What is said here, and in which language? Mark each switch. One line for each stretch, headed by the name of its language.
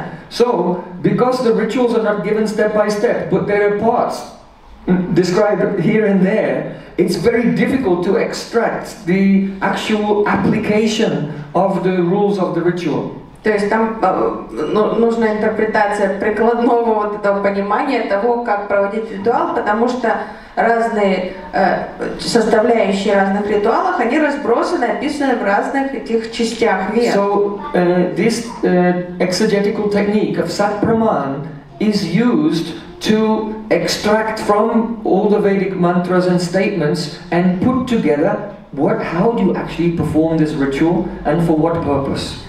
English: So, because the rituals are not given step by step, but there are parts described here and there, it's very difficult to extract the actual application of the rules of the ritual.
Russian: То есть там нужна интерпретация прикладного вот этого понимания того, как проводить ритуал, потому что разные составляющие разных ритуалов, они разбросаны, описаны в разных этих частях Вед.
English: So this exegetical technique of Satpraman is used to extract from all the Vedic mantras and statements and put together how do you actually perform this ritual and for what purpose.